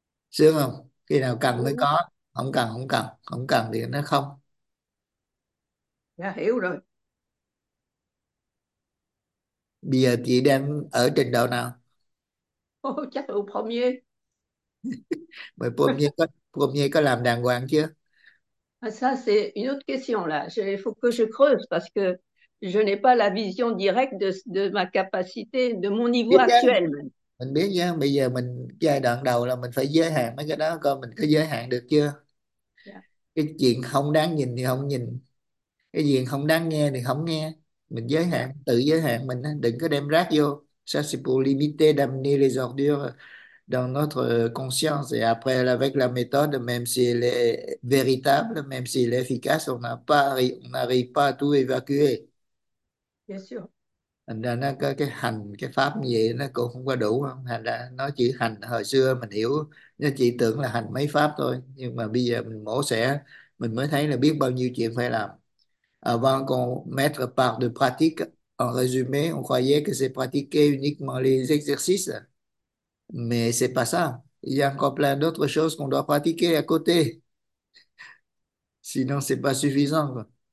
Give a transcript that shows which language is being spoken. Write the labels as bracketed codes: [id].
[vi] Sướng không? Khi nào cần mới có. Không cần, không cần. Không cần thì nó không. Dạ hiểu rồi. Bây giờ chị đang ở trình độ nào? Ồ, chắc là ở premier. Mày À, Pôm Nhi có làm đàng hoàng chưa? [fr] ça c'est une autre question là. Il faut que je creuse parce que je n'ai pas la vision directe de ma capacité, de mon niveau [vi] Biết chứ, [fr] actuel même. [vi] mình biết nhé, bây giờ mình giai đoạn đầu là mình phải giới hạn mấy cái đó, coi mình có giới hạn được chưa. Cái chuyện không đáng nhìn thì không nhìn, cái chuyện không đáng nghe thì không nghe. Mình giới hạn, tự giới hạn mình, đừng có đem rác vô. [fr] Ça c'est pour limiter, d'amener les ordures dans notre conscience, et après avec la méthode, même si elle est véritable, même si elle est efficace, on n'arrive pas à tout évacuer. Bien sûr. [vi] Thành ra nó có cái hành, cái pháp gì nó cũng không có đủ. Thành ra nó chỉ hành, hồi xưa mình hiểu nó chỉ tưởng là hành mấy pháp thôi, nhưng mà bây giờ mình mổ xẻ mình mới thấy là biết bao nhiêu chuyện phải làm. [fr] Avant qu'on mette par de pratique, en résumé, on croyait que c'est pratiquer uniquement les exercices. Mais c'est pas ça. Il y a encore plein d'autres choses qu'on doit pratiquer à côté. Sinon, c'est pas suffisant, quoi.